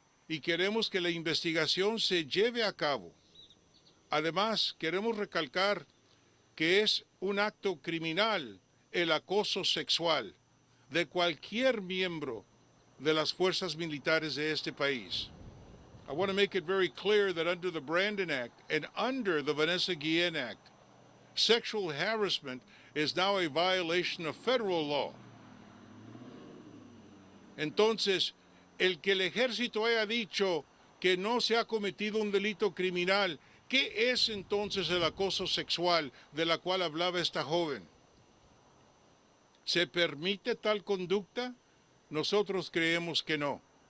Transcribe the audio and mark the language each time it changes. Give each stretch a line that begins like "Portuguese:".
Spanish: y queremos que la investigación se lleve a cabo. Además, queremos recalcar que es un acto criminal el acoso sexual de cualquier miembro de las fuerzas militares de este país.
English: I want to make it very clear that under the Brandon Act and under the Vanessa Guillen Act, sexual harassment is now a violation of federal law.
Spanish: Entonces, el que el ejército haya dicho que no se ha cometido un delito criminal, ¿qué es entonces el acoso sexual de la cual hablaba esta joven? ¿Se permite tal conducta? Nosotros creemos que no.